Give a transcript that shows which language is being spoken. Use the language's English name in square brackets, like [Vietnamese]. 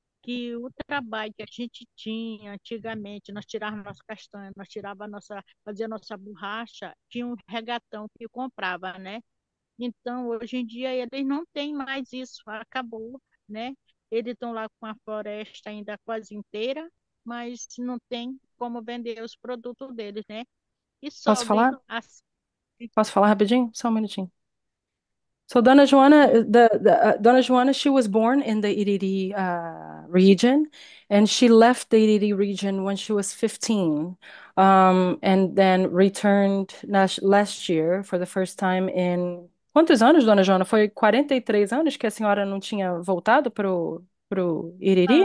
[Portuguese] Que o trabalho que a gente tinha antigamente, nós tirávamos castanha, nós tirava nossa, fazia nossa borracha, tinha um regatão que comprava, né? Então, hoje em dia eles não têm mais isso, acabou, né? Eles estão lá com a floresta ainda quase inteira, mas não tem como vender os produtos deles, né? E Posso sobem falar? as. Posso falar rapidinho? Só um minutinho. [English] So, Dona Joana, Dona Joana, she was born in the Iriri region, and she left the Iriri region when she was 15, and then returned last year for the first time in. [Portuguese] Quantos anos, Dona Joana? Foi 43 anos que a senhora não tinha voltado para o Iriri?